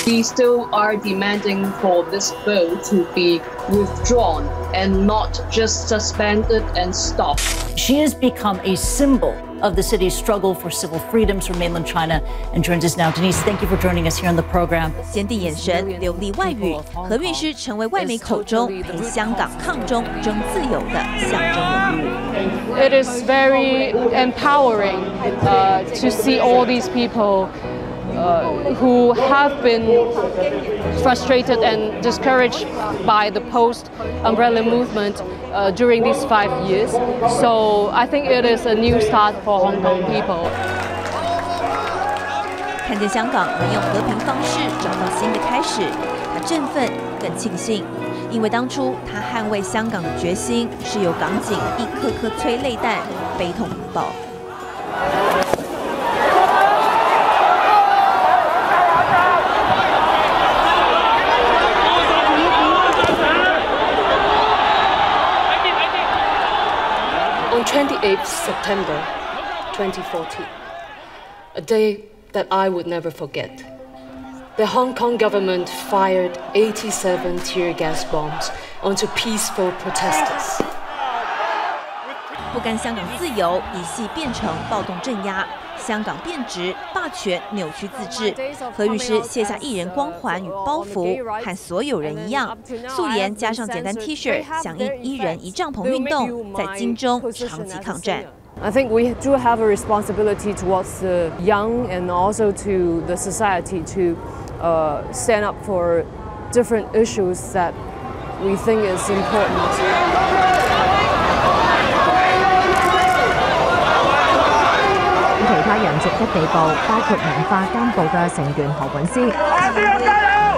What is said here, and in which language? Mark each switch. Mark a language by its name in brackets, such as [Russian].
[English] We still are demanding for this bill to be withdrawn and not just suspended and stopped. She has become a symbol of the city's struggle for civil freedoms from mainland China and joins us now. Denise, thank you for joining us here on the program. [Chinese] 坚定眼神，流利外语，何律师成为外媒口中陪香港抗中争自由的象征人物。 [English] It is very empowering to see all these people who have been frustrated and discouraged by the post-umbrella movement during these 5 years. So I think it is a new start for Hong Kong people. [Chinese] 看见香港能用和平方式找到新的开始，他振奋更庆幸。因为当初他捍卫香港的决心是由港警一颗颗催泪弹悲痛引爆。 [English] 28th September 2014, a day that I would never forget. The Hong Kong government fired 87 tear gas bombs onto peaceful protesters. [Chinese] 不甘香港自由，一系变成暴动镇压，香港变质、霸权、扭曲自治。何律师卸下艺人光环与包袱，和所有人一样，素颜加上简单 T 恤，响应一人一帐篷运动，在金钟长期抗战。 [English] I think we do have a responsibility towards the young and also to the society to stand up for different issues that we think is important. [Chinese] 其他人逐一被捕，包括文化监部的成员何韵诗。